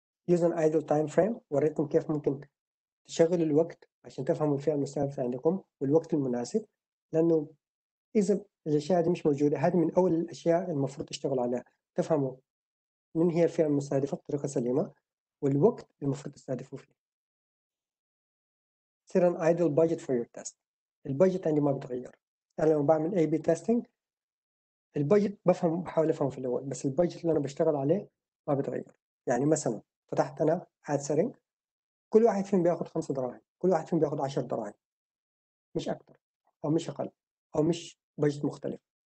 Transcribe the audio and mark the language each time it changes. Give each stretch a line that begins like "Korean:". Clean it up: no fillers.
English: Use an idle time frame،
Arabic: وريتكم كيف ممكن تشغل الوقت عشان تفهموا الفئة المستهدفة عندكم والوقت المناسب، لأنه إذا الأشياء دي مش موجودة، هذه من أول الأشياء المفروض تشتغل عليها، تفهموا من هي الفئة المستهدفة بطريقة سليمة والوقت المفروض تستهدفوا فيه.
English: Set an idle budget for your test،
Arabic: البادجت عندي ما بتغير. انا لما بعمل اي بي تيستينج البادجت بفهم، بحاول افهم في الاول، بس البادجت اللي انا بشتغل عليه ما بتغير. يعني مثلا فتحت انا اد سيتنج، كل واحد فيهم بياخد 5 دراهم، كل واحد فيهم بياخد 10 دراهم، مش اكتر او مش اقل، او مش بادجت مختلف.